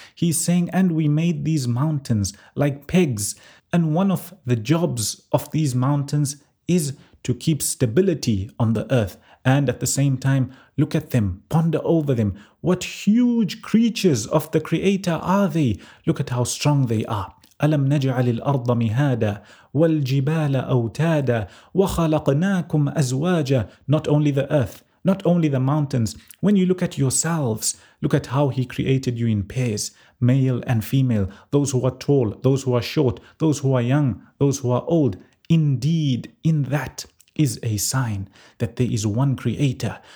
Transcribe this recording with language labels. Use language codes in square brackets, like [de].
[en] He's saying, and we made these mountains like pegs. And one of the jobs of these mountains is to keep stability on the earth. And at the same time, look at them, ponder over them. What huge creatures of the Creator are they? Look at how strong they are. [ar] ألم نجعل الأرض مهادا والجبال أوتادا وخلقناكم أزواجا. [en] Not only the earth, not only the mountains. When you look at yourselves, look at how he created you in pairs, male and female, those who are tall, those who are short, those who are young, those who are old. Indeed, in that is a sign that there is one creator.